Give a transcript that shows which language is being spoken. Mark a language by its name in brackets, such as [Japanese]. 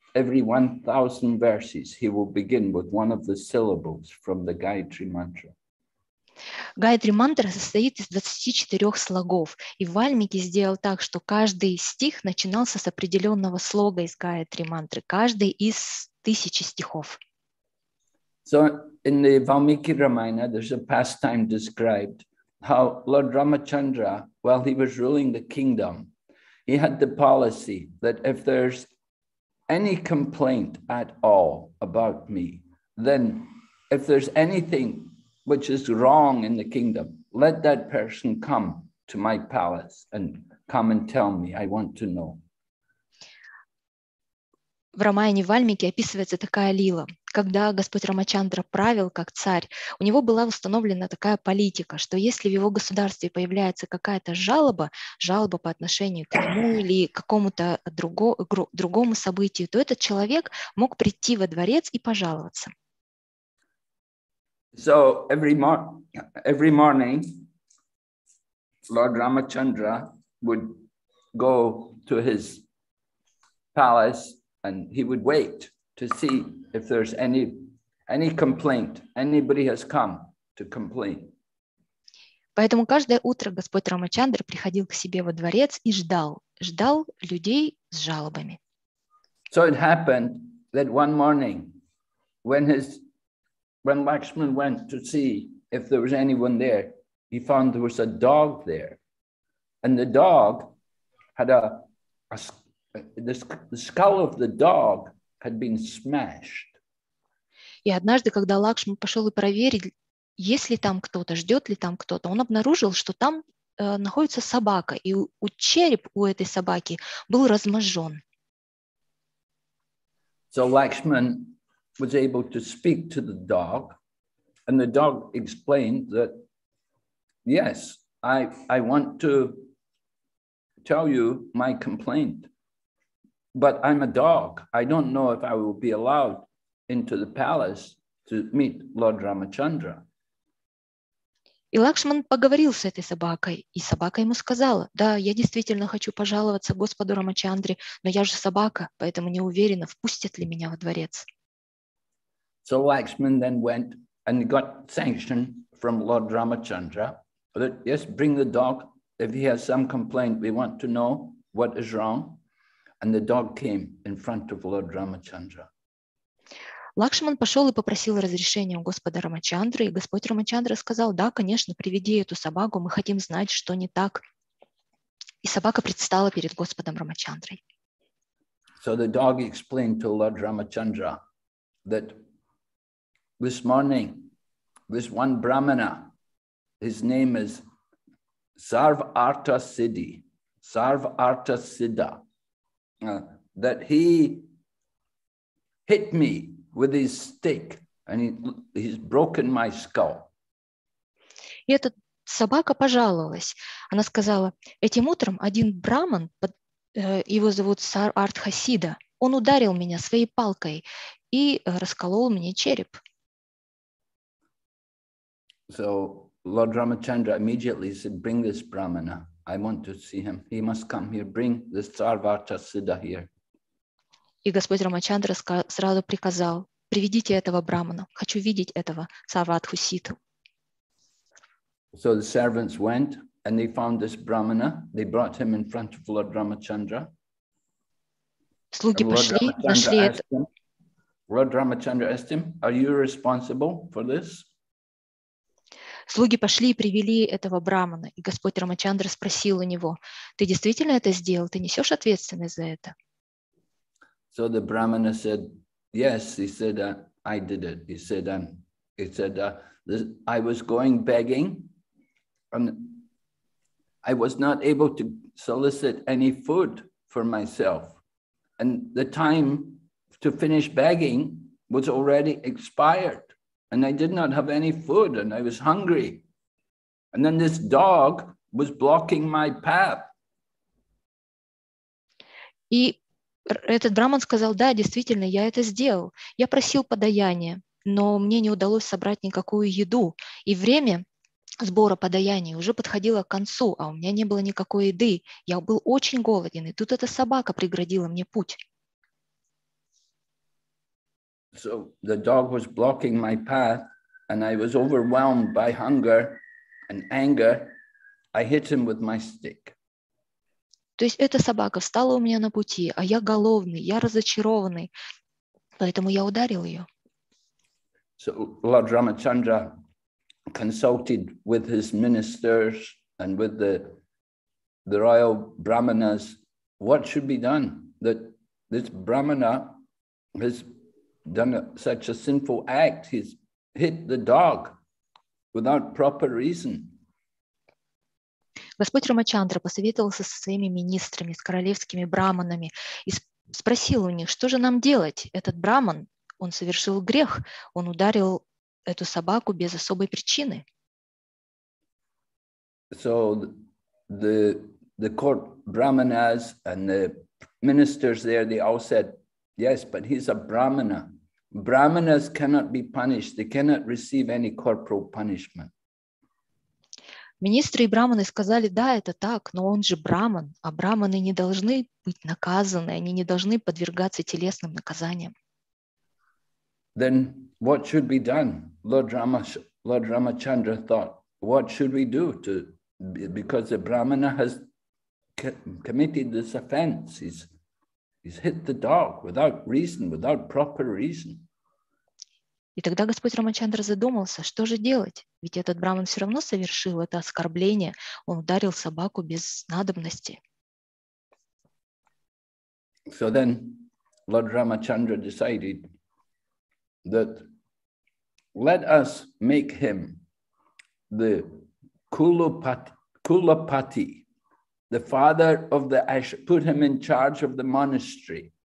[English] Every 1,000 verses, he will begin with one of the syllables from the Gayatri mantra. [Russian] Гаятри мантра состоит из 24 слогов, и Вальмики сделал так, что каждый стих начинался с определенного слога из Гаятри мантры, каждый из тысячи стихов. [English] So in the Valmiki Ramayana, there's a pastime described how Lord Ramachandra, while he was ruling the kingdom, he had the policy that if there's any complaint at all about me, then if there's anything which is wrong in the kingdom, let that person come to my palace and come and tell me. I want to know. [Russian] В Рамаяне Вальмики описывается такая лила. Когда Господь Рамачандра правил как царь, у него была установлена такая политика, что если в его государстве появляется какая-то жалоба, жалоба по отношению к нему или какому-то другому событию, то этот человек мог прийти во дворец и пожаловаться. [English] So every morning Lord Ramachandra would go to his palace and he would wait to see if there's any complaint, anybody has come to complain. [Russian] Поэтому каждое утро Господь Рамачандра приходил к себе во дворец и ждал людей с жалобами. [English] So it happened that one morning when Lakshman went to see if there was anyone there, he found there was a dog there. And the dog had the skull of the dog had been smashed. [Russian] И однажды, когда Лакшман пошел и проверить, есть ли там кто-то, ждет ли там кто-то, он обнаружил, что там находится собака, и череп у этой собаки был разможжен. [English] So Lakshman was able to speak to the dog, and the dog explained that, yes, I want to tell you my complaint, but I'm a dog. I don't know if I will be allowed into the palace to meet Lord Ramachandra. [Russian] И Лакшман поговорил с этой собакой, и собака ему сказала, да, я действительно хочу пожаловаться Господу Рамачандре, но я же собака, поэтому не уверена, впустят ли меня во дворец. [English] So Lakshman then went and got sanction from Lord Ramachandra that, yes, bring the dog. If he has some complaint, we want to know what is wrong. And the dog came in front of Lord Ramachandra. [Russian] Лакшман пошел и попросил разрешения у Господа Рамачандры, и Господь Рамачандра сказал, да, конечно, приведи эту собаку, мы хотим знать, что не так. И собака предстала перед Господом Рамачандрой. [English] So the dog explained to Lord Ramachandra that this morning, this one Brahmana, his name is Sarvartha Siddha, that he hit me with his stick and he's broken my skull. [Russian] И эта собака пожаловалась. Она сказала, этим утром один Брахман, его зовут Сарвартха Сидда, он ударил меня своей палкой и расколол мне череп. [English] So Lord Ramachandra immediately said, bring this Brahmana. I want to see him. He must come here. Bring this Sarvartha Siddha here. [Russian] И Господь Рамачандра сразу приказал, приведите этого Брахмана. Хочу видеть этого Сарвартху Сидду. [English] So the servants went and they found this Brahmana. They brought him in front of Lord Ramachandra. [Russian] Слуги пошли, нашли это. [English] Lord Ramachandra asked him, are you responsible for this? [Russian] Слуги пошли и привели этого брахмана, и Господь Рамачандра спросил у него, ты действительно это сделал, ты несешь ответственность за это? [English] So the brahmana said, yes, he said, I did it. He said, I was going begging, and I was not able to solicit any food for myself. And the time to finish begging was already expired. And I did not have any food, and I was hungry. And then this dog was blocking my path. [Russian] И этот брахман сказал, да, действительно, я это сделал. Я просил подаяние, но мне не удалось собрать никакую еду. И время сбора подаяния уже подходило к концу, а у меня не было никакой еды. Я был очень голоден, и тут эта собака преградила мне путь. [English] So the dog was blocking my path, And I was overwhelmed by hunger and anger. I hit him with my stick. [Russian] То есть эта собака встала у меня на пути, а я голодный, я разочарованный, поэтому я ударил ее. [English] So Lord Ramachandra consulted with his ministers and with the royal brahmanas, what should be done, that this brahmana has done such a sinful act, he's hit the dog without proper reason. [Russian] Господь Рамачандра посоветовался со своими министрами, с королевскими браманами и спросил у них, что же нам делать? Этот браман, он совершил грех, он ударил эту собаку без особой причины. [English] So the court brahmanas and the ministers there, they all said, yes, but he's a brahmana. Brahmanas cannot be punished, they cannot receive any corporal punishment. [Russian] Министры и браманы сказали, да, это так, но он же браман, а браманы не должны быть наказаны, они не должны подвергаться телесным наказаниям. [English] Then what should be done? Lord Ramachandra thought, what should we do to, because the brahmana has committed this offense, he's hit the dog without reason, without proper reason. [Russian] И тогда Господь Рамачандра задумался, что же делать? Ведь этот браман все равно совершил это оскорбление. Он ударил собаку без надобности. [English] So then Lord Ramachandra decided that let us make him the Kulapati, the father of the put him in charge of the monastery.